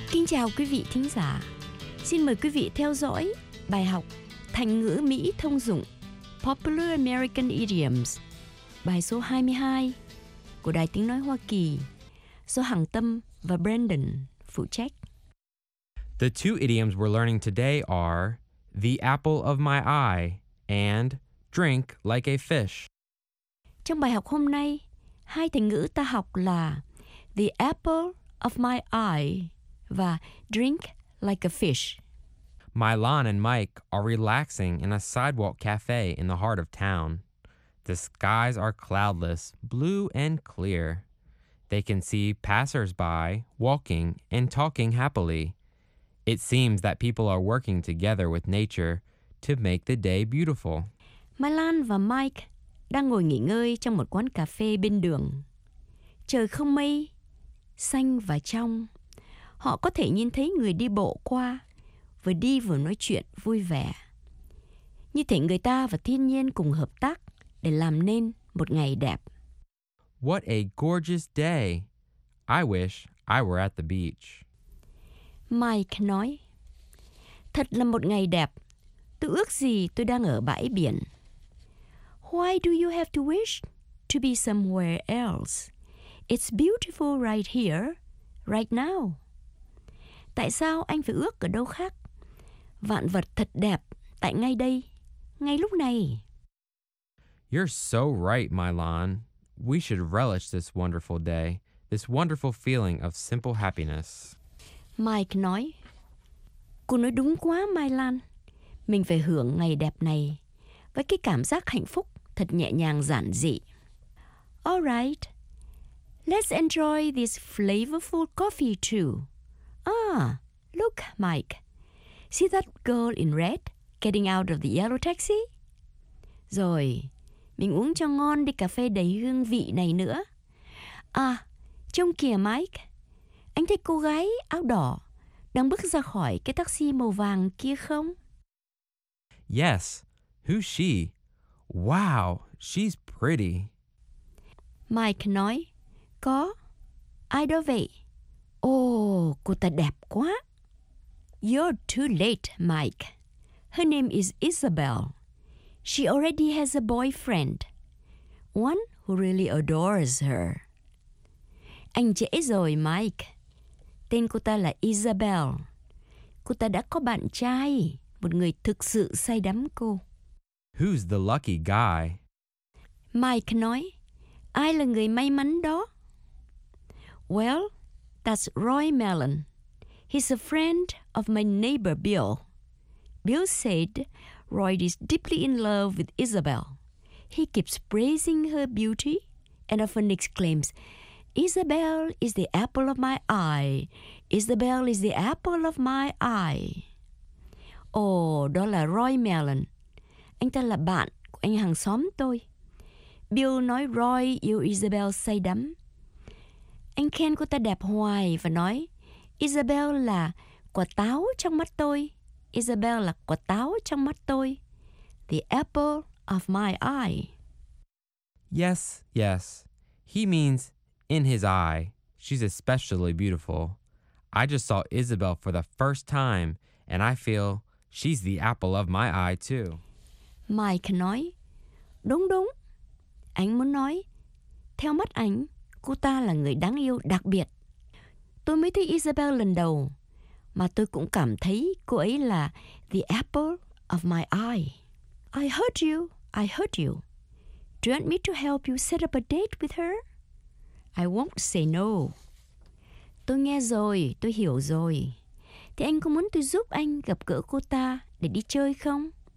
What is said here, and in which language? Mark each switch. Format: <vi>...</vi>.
<vi>Chào quý vị thính giả. Xin mời quý vị theo dõi bài học Thành ngữ Mỹ thông dụng Popular American Idioms, bài số 22 của Đài Tiếng Nói Hoa Kỳ, do Hằng Tâm và Brandon phụ trách.</vi> <en>The two idioms we're learning today are the apple of my eye and drink like a fish.</en> <vi>Trong bài học hôm nay, hai thành ngữ ta học là</vi> <en>the apple of my eye</en> <vi>và</vi> <en>drink like a fish. Milan and Mike are relaxing in a sidewalk cafe in the heart of town. The skies are cloudless, blue and clear. They can see passersby walking and talking happily. It seems that people are working together with nature to make the day beautiful.</en> <vi>Milan và Mike đang ngồi nghỉ ngơi trong một quán cà phê bên đường. Trời không mây, xanh và trong. Họ có thể nhìn thấy người đi bộ qua, vừa đi vừa nói chuyện vui vẻ. Như thể người ta và thiên nhiên cùng hợp tác để làm nên một ngày đẹp.</vi> <en>What a gorgeous day! I wish I were at the beach.</en> <vi>Mike nói, thật là một ngày đẹp. Tôi ước gì tôi đang ở bãi biển.</vi> <en>Why do you have to wish to be somewhere else? It's beautiful right here, right now.</en> <vi>Tại sao anh phải ước ở đâu khác? Vạn vật thật đẹp tại ngay đây, ngay lúc này.</vi> <en>You're so right, Milan. We should relish this wonderful day, this wonderful feeling of simple happiness.</en> <vi>Mike nói, cô nói đúng quá, Milan. Mình phải hưởng ngày đẹp này với cái cảm giác hạnh phúc thật nhẹ nhàng giản dị.</vi> <en>All right. Let's enjoy this flavorful coffee too. Ah, look, Mike. See that girl in red getting out of the yellow taxi?</en> <vi>Rồi, mình uống cho ngon đi cà phê đầy hương vị này nữa. À, trông kìa Mike. Anh thấy cô gái áo đỏ đang bước ra khỏi cái taxi màu vàng kia không?</vi> <en>Yes, who's she? Wow, she's pretty.</en> <vi>Mike nói, có, ai đó vậy? Oh, cô ta đẹp quá.</vi> <en>You're too late, Mike. Her name is Isabel. She already has a boyfriend. One who really adores her.</en> <vi>Anh trễ rồi, Mike. Tên cô ta là Isabel. Cô ta đã có bạn trai, một người thực sự say đắm cô.</vi> <en>Who's the lucky guy?</en> <vi>Mike nói, ai là người may mắn đó?</vi> <en>Well, that's Roy Mellon. He's a friend of my neighbor Bill. Bill said Roy is deeply in love with Isabel. He keeps praising her beauty and often exclaims, Isabel is the apple of my eye. Isabel is the apple of my eye.</en> <vi>Oh, đó là Roy Mellon. Anh ta là bạn của anh hàng xóm tôi. Bill nói Roy yêu Isabel say đắm. Anh khen cô ta đẹp hoài và nói, Isabel là quả táo trong mắt tôi. Isabel là quả táo trong mắt tôi.</vi> <en>The apple of my eye. Yes, yes. He means in his eye. She's especially beautiful. I just saw Isabel for the first time and I feel she's the apple of my eye too.</en> <vi>Mike nói, đúng đúng. Anh muốn nói, theo mắt anh, cô ta là người đáng yêu đặc biệt. Tôi mới thấy Isabel lần đầu, mà tôi cũng cảm thấy cô ấy là</vi> <en>the apple of my eye. I heard you, I heard you. Do you want me to help you set up a date with her? I won't say no.</en> <vi>Tôi nghe rồi, tôi hiểu rồi. Thế anh có muốn tôi giúp anh gặp gỡ cô ta để đi chơi không?</vi>